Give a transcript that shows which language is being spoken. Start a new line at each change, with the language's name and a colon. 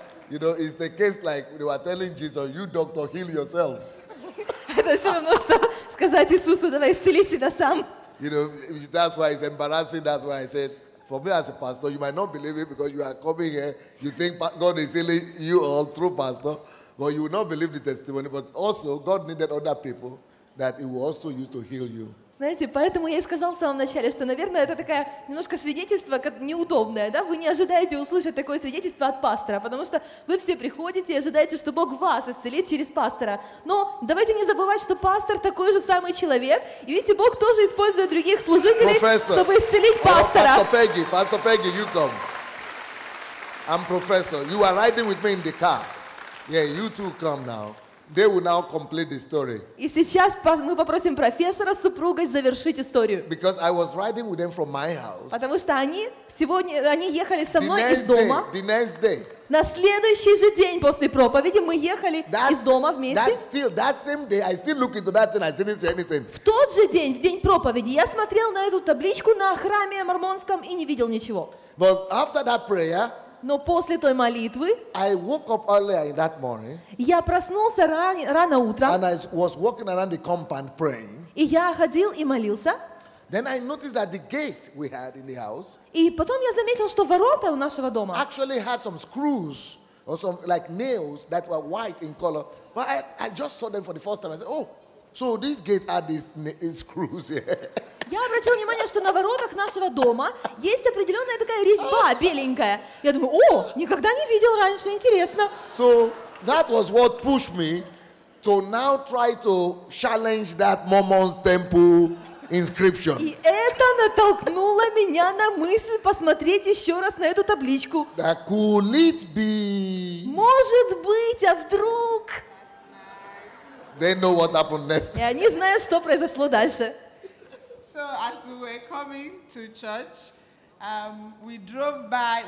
English: You know, it's the case like they were telling Jesus, you doctor, heal yourself.
Russian: Это все равно, что сказать Иисусу, давай исцели себя сам.
English: You know, that's why it's embarrassing, that's why I said, for me as a pastor, you might not believe it because you are coming here, you think God is healing you all through pastor, but you will not believe the testimony, but also God needed other people that he will also use to heal you.
Russian: Знаете, поэтому я и сказал в самом начале, что, наверное, это такое немножко свидетельство неудобное, да? Вы не ожидаете услышать такое свидетельство от пастора, потому что вы все приходите и ожидаете, что Бог вас исцелит через пастора. Но давайте не забывать, что пастор такой же самый человек, и видите, Бог тоже использует других служителей,
English: professor,
Russian: чтобы исцелить пастора.
English: Pastor Peggy, Pastor Peggy, you come. I'm professor. You are riding with me in the car. Yeah, you too come now. They will now complete the story.
Russian: И сейчас мы попросим профессора с супругой завершить историю.
English: Because I was riding with them from my house.
Russian: Потому что они сегодня они ехали со мной из дома.
English: The next day.
Russian: На следующий же день после проповеди мы ехали из дома вместе.
English: That same day, I still look into that and I didn't say anything.
Russian: В тот же день, в день проповеди, я смотрел на эту табличку на храме мормонском и не видел ничего.
English: But after that prayer.
Russian: Но после той молитвы
English: I woke up earlier in that morning,
Russian: я проснулся рано утром
English: and I was walking around the compound praying,
Russian: и я ходил и молился.
English: Then I noticed that the gate we had in the house,
Russian: и потом я заметил, что ворота у нашего дома
English: actually had some screws or some like nails that were white in color. But I just saw them for the first time. I said, oh, so this gate had these screws here.
Russian: Я обратил внимание, что на воротах нашего дома есть определенная такая резьба беленькая. Я думаю, о, никогда не видел раньше, интересно.
English: So that was what pushed me to now try to challenge that Mormon's temple inscription.
Russian: И это натолкнуло меня на мысль посмотреть еще раз на эту табличку.
English: That could it be?
Russian: Может быть, а вдруг?
English: They know what happened next.
Russian: И они знают, что произошло дальше.
English: So as we were coming to church, we drove by.